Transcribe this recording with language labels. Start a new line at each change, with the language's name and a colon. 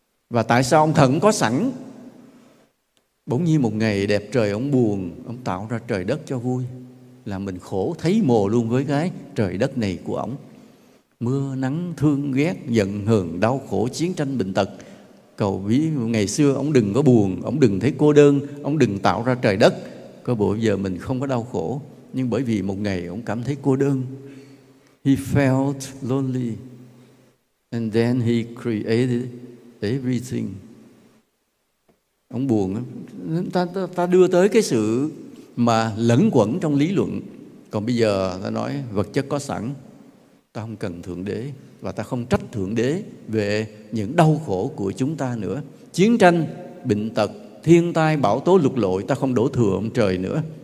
Vietnamese: Và tại sao ông thần có sẵn? Bỗng nhiên một ngày đẹp trời ông buồn, ông tạo ra trời đất cho vui, là mình khổ thấy mồ luôn với cái trời đất này của ông. Mưa nắng thương ghét, giận hờn đau khổ, chiến tranh bệnh tật. Cầu ví ngày xưa ông đừng có buồn, ông đừng thấy cô đơn, ông đừng tạo ra trời đất. Có bộ giờ mình không có đau khổ, nhưng bởi vì một ngày ông cảm thấy cô đơn.
English: He felt lonely and then he created everything.
Vietnamese: Ông buồn, ta đưa tới cái sự mà lẫn quẩn trong lý luận. Còn bây giờ ta nói vật chất có sẵn, ta không cần Thượng Đế, và ta không trách Thượng Đế về những đau khổ của chúng ta nữa. Chiến tranh, bệnh tật, thiên tai, bão tố, lục lội, ta không đổ thừa ông trời nữa.